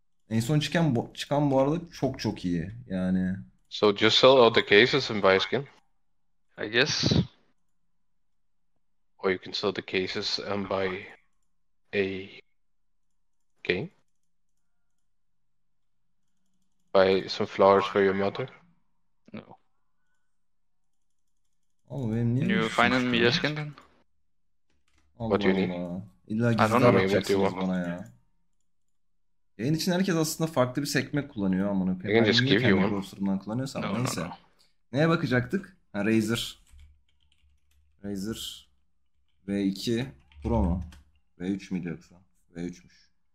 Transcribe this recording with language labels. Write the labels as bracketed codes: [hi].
[tr] En son çıkan bu arada çok çok iyi. Yani. [en] So just sell all the cases and buy skin? I guess. Or you can sell the cases and buy a... Okay. Buy some flowers for your mother? No. Oh, we need. Can you find me a skin then? What do you need? [tr] Allah. [en] I don't know what you want. [tr] Yayın için herkes aslında farklı bir sekme kullanıyor ama ne [en] peki? Just give you one. [tr] Kullanıyorsan [en] no, [tr] neyse. [en] No. [tr] Neye bakacaktık? Ha, Razer V2 Pro mu? V3 mü yoksa? V3'müş.